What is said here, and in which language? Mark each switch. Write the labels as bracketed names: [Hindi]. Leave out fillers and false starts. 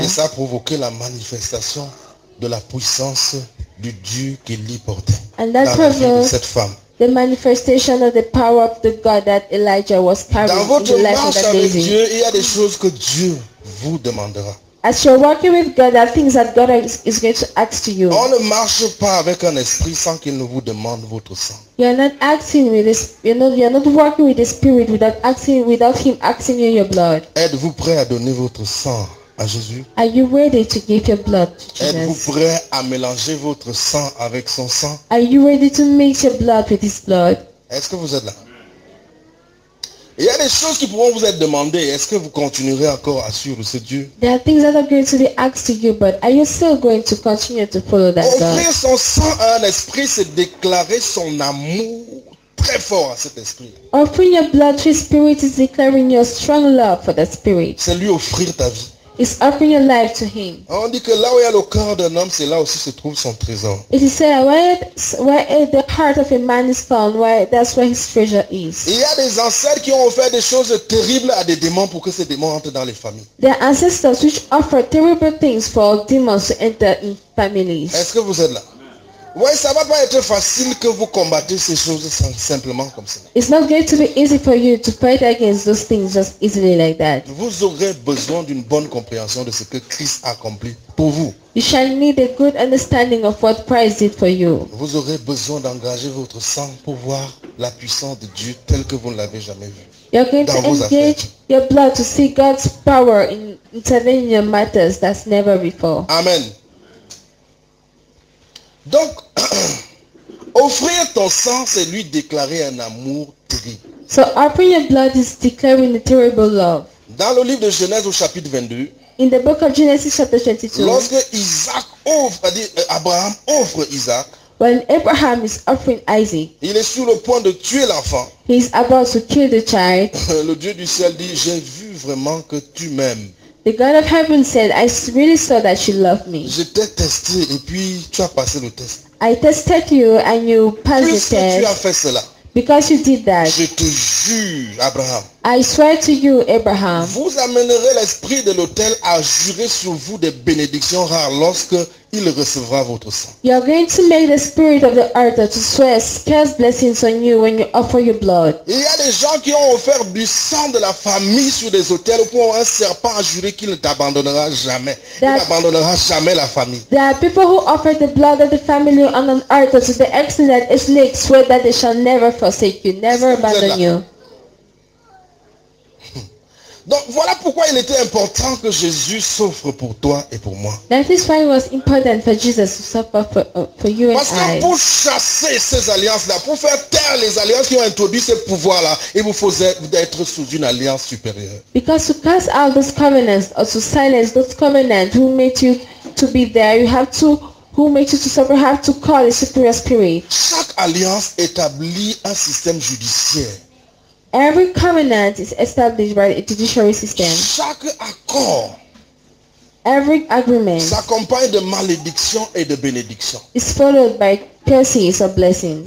[French] Et ça a provoqué la manifestation de la puissance du Dieu qu'Élie portait. [English] And that provoked [French] cette femme. [English] The manifestation of the power of the God that Elijah was carrying in the life of that lady. [French] Dans votre marche avec Dieu, il y a des choses que Dieu vous demandera. [English] As you're working with God, there are things that God is going to ask to you. [French] On ne marche pas avec un esprit sans qu'il ne vous demande votre sang. [English] You're not acting with this, you're not working with the spirit without him asking you your blood. [French] Êtes-vous prêt à donner votre sang à Jésus? [English] Are you ready to give your blood to Jesus? [French] Êtes-vous prêt à mélanger votre sang avec son sang? [English] Are you ready to mix your blood with his blood? [French] Est-ce que vous êtes là? Il y a des choses qui pourront vous être demandées. Est-ce que vous continuerez encore à suivre ce Dieu? [English] There are things that are going to be asked to you, but are you still going to continue to follow that God? [French] Offrir son sang à un esprit, c'est déclarer son amour très fort à cet esprit. [English] Offering your blood to his spirit is declaring your strong love for that spirit. [French] C'est lui offrir ta vie. [English] It's offering your life to him. [French] On dit que là où il y a le cœur d'un homme, c'est là aussi se trouve son trésor. [English] It is said where the heart of a man is found, that's where his treasure is. [French] Il y a des ancêtres qui ont offert des choses terribles à des démons pour que ces démons entrent dans les familles. [English] There are ancestors which offer terrible things for demons to enter in families. [French] Est-ce que vous êtes là? Ouais, ça va pas être facile que vous combattez ces choses simplement comme ça. [English] It's not going to be easy for you to fight against those things just easily like that. [French] Vous aurez besoin d'une bonne compréhension de ce que Christ a accompli pour vous. [English] You shall need a good understanding of what Christ did for you. [French] Vous aurez besoin d'engager votre sang pour voir la puissance de Dieu telle que vous ne l'avez jamais vue. [English] You're going [French] dans [English] to engage [French] affaires. [English] Your blood to see God's power in intervening in matters that's never before. Amen. [French] Donc, offrir ton sang, c'est lui déclarer un amour terrible. [English] So, offering your blood is declaring a terrible love. [French] Dans le livre de Genèse au chapitre 22. [English] In the book of Genesis chapter 22. [French] Lorsque Isaac offre, Abraham offre Isaac. [English] When Abraham is offering Isaac. [French] Il est sur le point de tuer l'enfant. [English] He is about to kill the child. [French] Le Dieu du ciel dit, j'ai vu vraiment que tu m'aimes. [English] The God of heaven said, I really saw that you love me. [French] Je t'ai testé et puis tu as passé le test. [English] I tested you and you passed [French] puisque [English] the test. [French] Puisque tu as fait cela. [English] Because you did that. [French] Je te jure, Abraham. [English] I swear to you, Abraham. [French] Vous amènerez l'esprit de l'autel à jurer sur vous des bénédictions rares lorsque il recevra votre sang. [English] You are going to make the spirit of the earth to swear scarce blessings on you when you offer your blood. [French] Il y a des gens qui ont offert du sang de la famille sur des autels pour un serpent à jurer qu'il ne t'abandonnera jamais. Il n'abandonnera jamais la famille. [English] There are people who offer the blood of the family on an altar to the excellent snake swear that they shall never forsake you, never abandon you. [French] Donc voilà pourquoi il était important que Jésus souffre pour toi et pour moi. [English] That is why it was important for Jesus to suffer for you and I. [French] Parce que pour chasser ces alliances-là, pour faire taire les alliances qui ont introduit ces pouvoirs-là, il vous faut être sous une alliance supérieure. [English] Because to cast out those covenants or to silence those covenants who made you to be there, you have to who made you to suffer have to call a superior spirit. [French] Chaque alliance établit un système judiciaire. [English] Every covenant is established by a judiciary system. [French] Chaque accord, [English] every agreement, [French] s'accompagne de malédictions et de bénédictions. [English] Is followed by curses or blessings.